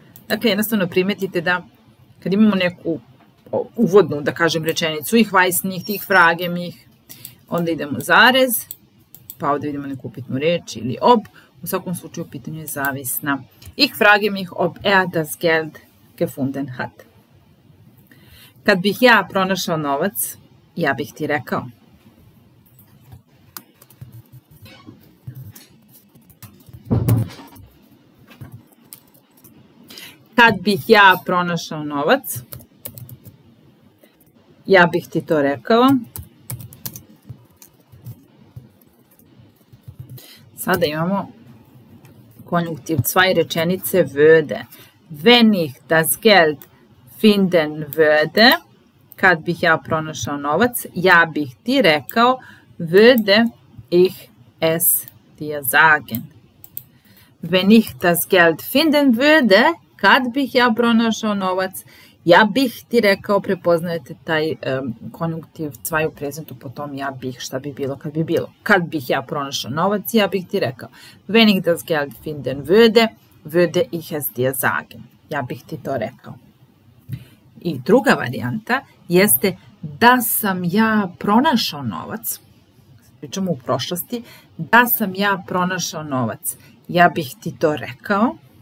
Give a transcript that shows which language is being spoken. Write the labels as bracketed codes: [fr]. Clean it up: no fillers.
[sr] Dakle, jednostavno primetite da kad imamo neku uvodnu, da kažem, rečenicu, [de] ih weiß nicht, ich frage mich, [sr] onda idemo zarez, pa ovdje vidimo neku upitnu reč ili ob, u svakom slučaju pitanje je zavisna. [de] Ich frage mich, ob er das Geld gefunden hat. [sr] Kad bih ja pronašao novac, ja bih ti rekao. Kad bih ja pronašao novac, Ja, bih ti to rekao. Sada imamo konjunktiv, zwei rečenice würde. [de] Wenn ich das Geld finden würde, [sr] kad bih ja pronašao novac, ja bih ti rekao, [de] würde ich es dir sagen. Wenn ich das Geld finden würde, [sr] kad bih ja pronašao novac, ja bih ti rekao, prepoznajete taj konjunktiv zwei u prezentu, potom ja bih, šta bi bilo, kad bi bilo. Kad bih ja pronašao novac, ja bih ti rekao. [de] Wenn ich das Geld finden würde, würde ich es dir sagen. [sr] Ja bih ti to rekao. I druga varijanta jeste da sam ja pronašao novac, pričamo u prošlosti, da sam ja pronašao novac, ja bih ti to rekao.